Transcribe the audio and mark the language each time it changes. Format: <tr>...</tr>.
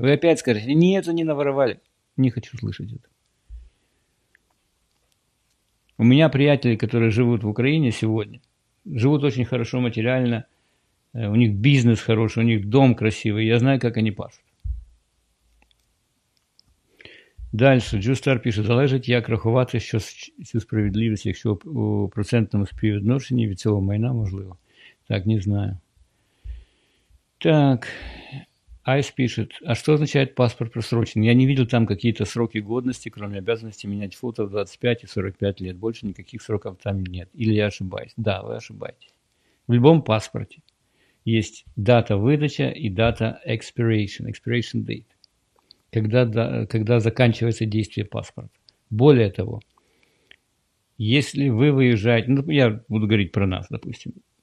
<ru>Вы опять скажете, нет, они наворовали. Не хочу слышать это. У меня приятели, которые живут в Украине сегодня, живут очень хорошо материально, у них бизнес хороший, у них дом красивый, я знаю, как они пашут. Дальше, Джустар пишет,</ru> <uk>залежить як рахувати, що цю справедливість, якщо у процентному співвідношенні від цього майна можливо. Так, не знаю.</uk> <ru>Так, Айс пишет,</ru> <uk>а що означає паспорт просрочений?</uk> <ru>Я не видел там какие-то сроки годности, кроме обязанности менять фото в 25 и 45 лет. Больше никаких сроков там нет. Или я ошибаюсь? Да, вы ошибаетесь. В любом паспорте есть дата выдачи и дата expiration date. Когда заканчивается действие паспорта. Более того, если вы выезжаете, ну, я буду говорить про нас, допустим.</ru>